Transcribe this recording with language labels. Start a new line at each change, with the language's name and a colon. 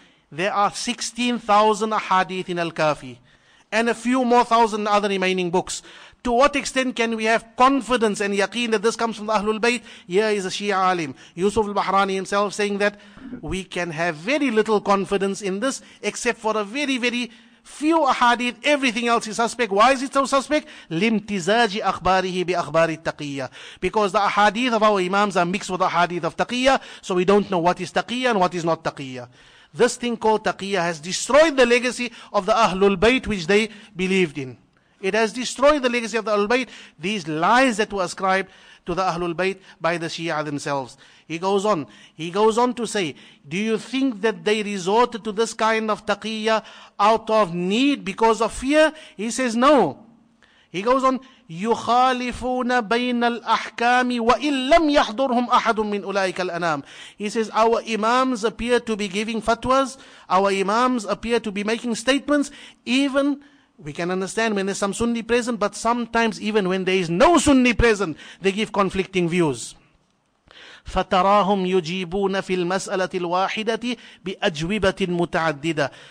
English: There are 16,000 ahadith in Al-Kafi, and a few more thousand other remaining books. To what extent can we have confidence and yaqeen that this comes from the Ahlul Bayt? Here is a Shia alim, Yusuf al-Bahrani himself, saying that we can have very little confidence in this, except for a very, very few ahadith, everything else is suspect. Why is it so suspect?
Arabic: لِمْتِزَاجِ أَخْبَارِهِ بِأَخْبَارِ التَّقِيَّةِ.
English: Because the ahadith of our imams are mixed with the ahadith of taqiyya, so we don't know what is taqiyya and what is not taqiyya. This thing called taqiyya has destroyed the legacy of the Ahlul Bayt which they believed in. It has destroyed the legacy of the Ahlul Bayt, these lies that were ascribed to the Ahlul Bayt by the Shia themselves. He goes on to say, do you think that they resorted to this kind of taqiyya out of need because of fear? He says, no. He goes on,
Arabic: يُخَالِفُونَ بَيْنَ الْأَحْكَامِ وَإِنْ لَمْ يَحْضُرْهُمْ أَحَدٌ مِّنْ أُولَٰئِكَ الْأَنَامِ.
English: He says, our imams appear to be giving fatwas, our imams appear to be making statements, even, we can understand when there's some Sunni present, but sometimes even when there is no Sunni present, they give conflicting views.
Arabic: فَتَرَاهُمْ يُجِيبُونَ فِي الْمَسْأَلَةِ الْوَاحِدَةِ بِأَجْوِبَةٍ مُتَعَدِّدَةٍ.